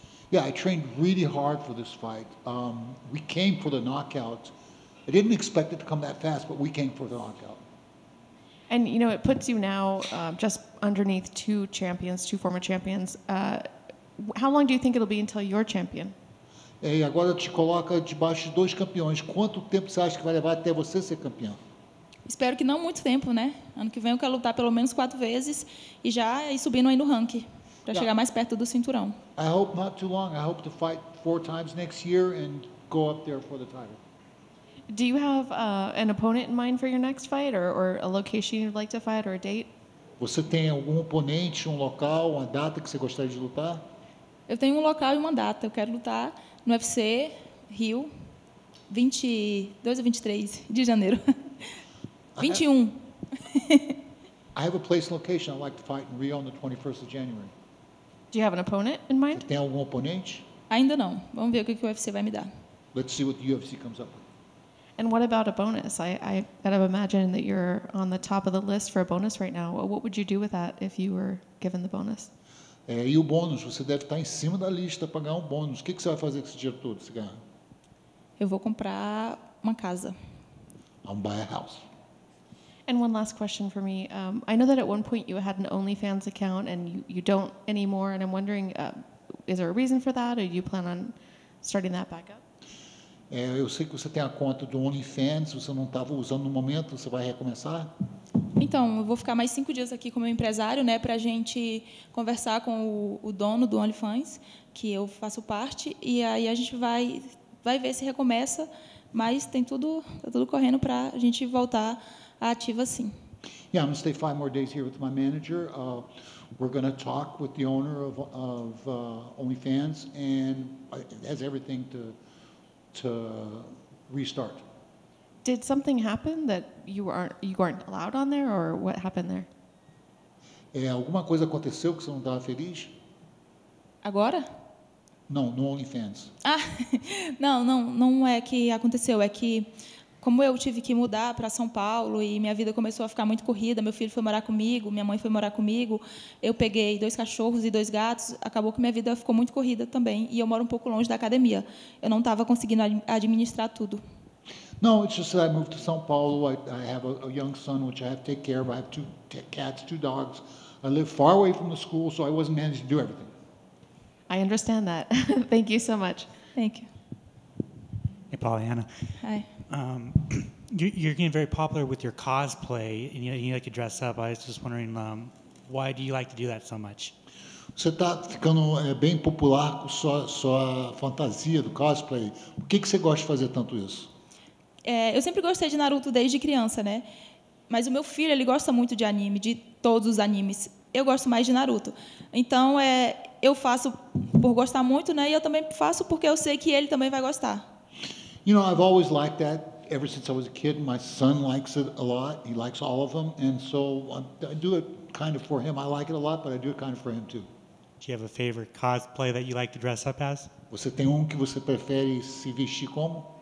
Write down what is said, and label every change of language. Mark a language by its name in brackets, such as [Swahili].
[English] Yeah, I trained really hard for this fight. We came for the knockout. I didn't expect it to come that fast, but we came for the knockout. And you know, it puts you now just underneath 2 champions, 2 former champions. How long do you think it'll be until you're champion? [Portuguese] E agora te coloca debaixo de 2 campeões. Quanto tempo você acha que vai levar até você ser campeão? Espero que não muito tempo, né? Ano que vem eu quero lutar pelo menos 4 vezes e já ir subindo aí no ranking para chegar mais perto do cinturão. [English] I hope not too long. I hope to fight 4 times next year and go up there for the title. Do you have an opponent in mind for your next fight or a location you'd like to fight or a date? [Portuguese] Você tem algum oponente, local, uma data que você gostaria de lutar? Eu tenho local e uma data. Eu quero lutar no UFC Rio 22 ou 23 de janeiro. 21. [English] I have a place and location. I'd like to fight in Rio on the 21st of January. Do you have an opponent in mind? [Portuguese] Tem algum oponente? Ainda não. Vamos ver o que o UFC vai me dar. [English] Let's see what the UFC comes up with. And what about a bonus? I kind of imagine that you're on the top of the list for a bonus right now. What would you do with that if you were given the bonus? [Portuguese] É, e o bônus, você deve estar em cima da lista para ganhar um bônus. O que, que você vai fazer com esse dinheiro todo, se ganhar? Eu vou comprar uma casa. [English] I'll buy a house. And one last question for me. I know that at one point you had an OnlyFans account and you don't anymore. And I'm wondering, is there a reason for that? Or do you plan on starting that back up? [Portuguese] É, eu sei que você tem a conta do OnlyFans, você não estava usando no momento, você vai recomeçar? Então, eu vou ficar mais 5 dias aqui com o meu empresário, né, para a gente conversar com o dono do OnlyFans, que eu faço parte, e aí a gente vai ver se recomeça, mas tem tudo, tá tudo correndo para a gente voltar à ativa, sim. [English] Yeah, I'm going to stay 5 more days here with my manager. We're going to talk with the owner of OnlyFans, and it has everything to restart. Did something happen that you weren't allowed on there, or what happened there? [Portuguese] É, alguma coisa aconteceu que você não estava feliz? Agora? Não, no OnlyFans. Ah, não é que aconteceu, é que como eu tive que mudar para São Paulo e minha vida começou a ficar muito corrida, meu filho foi morar comigo, minha mãe foi morar comigo, eu peguei 2 cachorros e 2 gatos, acabou que minha vida ficou muito corrida também e eu moro um pouco longe da academia. Eu não estava conseguindo administrar tudo. [English] No, it's just that I moved to São Paulo. I have a young son, which I have to take care of. I have 2 cats, 2 dogs. I live far away from the school, so I wasn't managed to do everything. I understand that. Thank you so much. Thank you. Hey, Polyana. Hi. You're getting very popular with your cosplay, and you like to dress up. I was just wondering, why do you like to do that so much? [Portuguese] Você está ficando bem popular com sua fantasia do cosplay. Por que você gosta de fazer tanto isso? Eu sempre gostei de Naruto desde criança, né? Mas o meu filho, ele gosta muito de anime, de todos os animes. Eu gosto mais de Naruto. Então, eu faço por gostar muito, né? E eu também faço porque eu sei que ele também vai gostar. [English] You know, I've always liked that ever since I was a kid. My son likes it a lot. He likes all of them. And so, I do it kind of for him. I like it a lot, but I do it kind of for him, too. Do you have a favorite cosplay that you like to dress up as? [Portuguese] Você tem que você prefere se vestir como?